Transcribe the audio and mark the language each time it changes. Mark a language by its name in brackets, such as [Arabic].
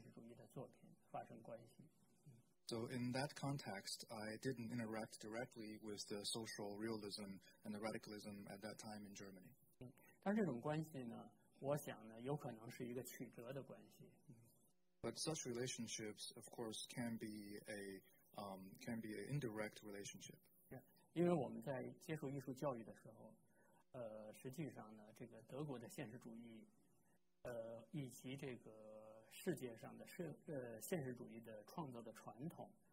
[Chinese] 但是呢，那个在这个case里面呢，其实我没有太多的直接的和这个社会，他说是德国的社会现实主义的作品发生关系。 [English] So in that context, I didn't interact directly with the social realism and the radicalism at that time in Germany. [Chinese] 但这种关系呢，我想呢，有可能是一个曲折的关系。 [English] But such relationships, of course, can be an indirect relationship. [Chinese] Yeah, 因为我们在接触艺术教育的时候，实际上呢，这个德国的现实主义，以及这个世界上的现实主义的创造的传统。